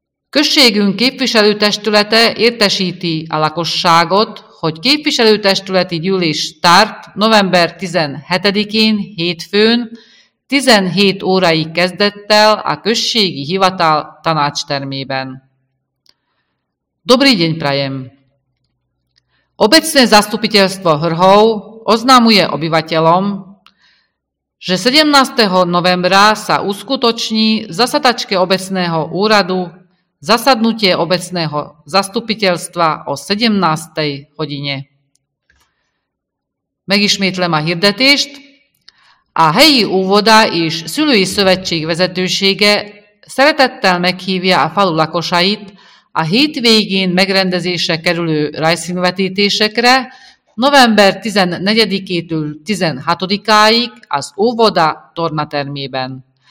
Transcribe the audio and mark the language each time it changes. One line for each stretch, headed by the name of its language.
Hungarian: Községünk képviselőtestülete értesíti a lakosságot, hogy képviselőtestületi gyűlés tart november 17-én hétfőn 17 óráig kezdettel a községi hivatal tanácstermében.
Slovak: Dobrý deň prajem! Obecné zastupiteľstvo Hrhov oznámuje obyvateľom, že 17. novembra sa uskutoční zasadačke obecného úradu zasadnutie obecného zastupiteľstva o 17. hodine.
Hungarian: Megismétlem a hirdetést. A helyi óvoda és szülői szövetség vezetősége szeretettel meghívja a falu lakosait a hétvégén megrendezésre kerülő rajzszínvetítésekre november 14-től 16-áig az óvoda tornatermében.